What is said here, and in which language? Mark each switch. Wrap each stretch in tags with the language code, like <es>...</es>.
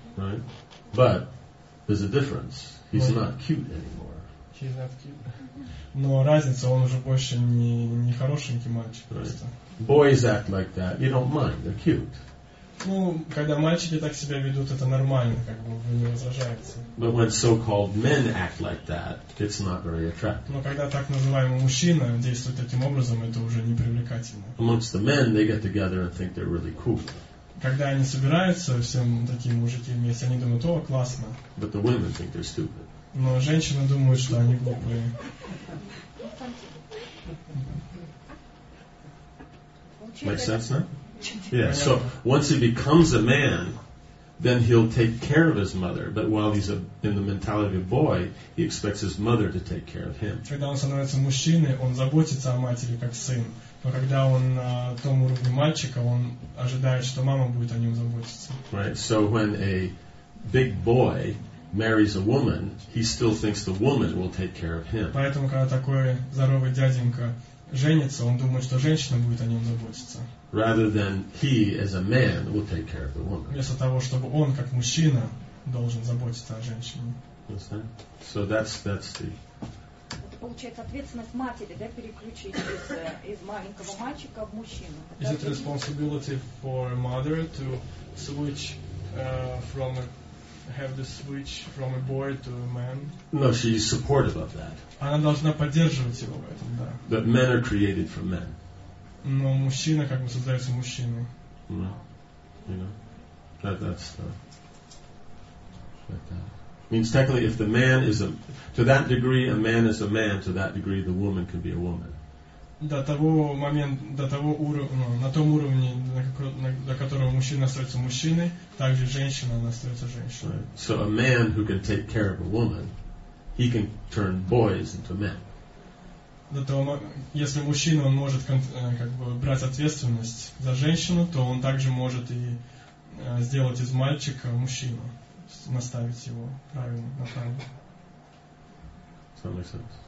<en>Right. But there's a difference. He's not cute anymore. He's not cute.</en> <ru>Но разница, он уже больше не хорошенький мальчик просто.</ru> <en>Boys act like that. You don't mind. They're cute.</en> <ru>Ну, когда мальчики так себя ведут, это нормально, как бы вы не возражаете.</ru> <en>But when so-called men act like that, it's not very attractive.</en> <ru>Но когда так называемый мужчина действует таким образом, это уже не привлекательно.</ru> <en>Amongst the men, they get together and think they're really cool.</en> <ru>Когда они собираются, все такие мужики вместе, они думают, о, классно.</ru> <en>But the women think they're stupid.</en> <ru>Но женщины думают, что они глупые.</ru> <en>Makes sense, huh? Yeah, so once he becomes a man, then he'll take care of his mother. But while he's in the mentality of a boy, he expects his mother to take care of him.</en> <ru>Когда он становится мужчиной, он заботится о матери как сын. Но когда он на том уровне мальчика, он ожидает, что мама будет о нем заботиться.</ru> <en>Right, so when a big boy marries a woman, he still thinks the woman will take care of him.</en> <ru>Поэтому, когда такой здоровый дяденька женится, он думает, что женщина будет о нем заботиться.</ru> <en>Rather than he, as a man, will take care of the woman.</en> <ru>Вместо того, чтобы он, как мужчина, должен заботиться о женщине.</ru> <en>So that's the...</en> <ru>Получается, ответственность матери, да, переключить из маленького мальчика в мужчину.</ru> <en>Is it responsibility for a mother to switch from a have the switch from a boy to a man? No, she's supportive of that.</en> <ru>Она должна поддерживать его в этом, да.</ru> <en>But men are created for men.</en> <ru>Но мужчина как бы создается мужчиной.</ru> <en>No. You know? That's means technically if the man is a to that degree a man is a man, to that degree the woman can be a woman.</en> <ru>До того уровня, на том уровне, до которого мужчина остается мужчиной, также женщина остается женщиной.</ru> <en>Right. So a man who can take care of a woman, he can turn boys into men.</en> <ru>До того, если мужчина он может как бы брать ответственность за женщину, то он также может и сделать из мальчика мужчину, наставить его правильно, на правильный.</ru>